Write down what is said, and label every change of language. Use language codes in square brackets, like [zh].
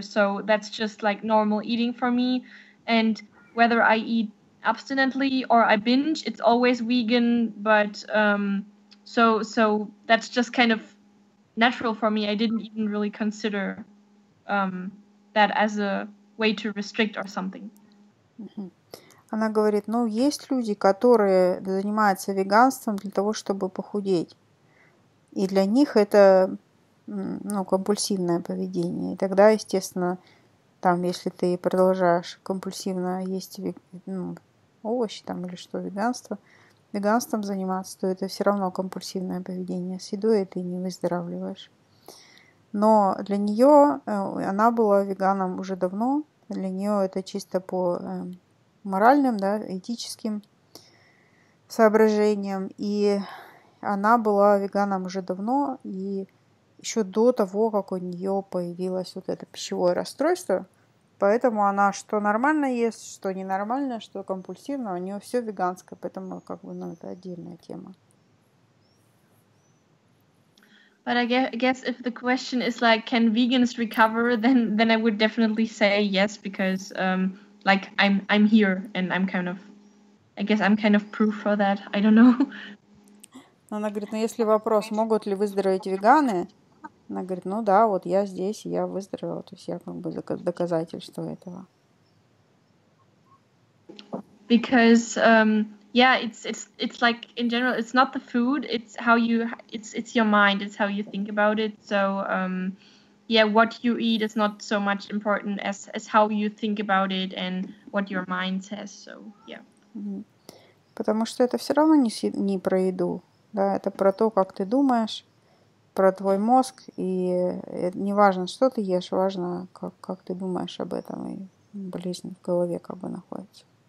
[en] So that's just like normal eating for me. And whether I eat abstinently or I binge, it's always vegan. But so that's just kind of natural for me. I didn't even really consider that as a way to restrict or something. [ru] Она говорит, ну, есть люди, которые занимаются веганством для того, чтобы похудеть. И для них это, ну, компульсивное поведение. И тогда, естественно, там, если ты продолжаешь компульсивно есть, ну, овощи там или что, веганством заниматься, то это все равно компульсивное поведение. С едой ты не выздоравливаешь. Но для нее, она была веганом уже давно, для нее это чисто по моральным, да, этическим соображениям. И она была веганом уже давно, и еще до того, как у нее появилось вот это пищевое расстройство. Поэтому она что нормально ест, что ненормально, что компульсивно, у нее все веганское, поэтому как бы, ну, это отдельная тема. [en] But I guess if the question is like, can vegans recover, then I would definitely say yes, because like I'm here and I'm kind of proof for that. I don't know. [ru] Она говорит, ну если вопрос, могут ли выздороветь веганы, она говорит, ну да, вот я здесь, я выздоровела, то есть я как бы доказательство этого. [en] Because yeah, it's like in general, it's not the food, it's how you, it's your mind, it's how you think about it. So yeah, what you eat is not so much important as how you think about it and what your mind says. So yeah. [ru] Потому что это все равно не про еду, да, это про то, как ты думаешь, про твой мозг, и не важно, что ты ешь, важно, как ты думаешь об этом, и болезнь в голове как бы находится.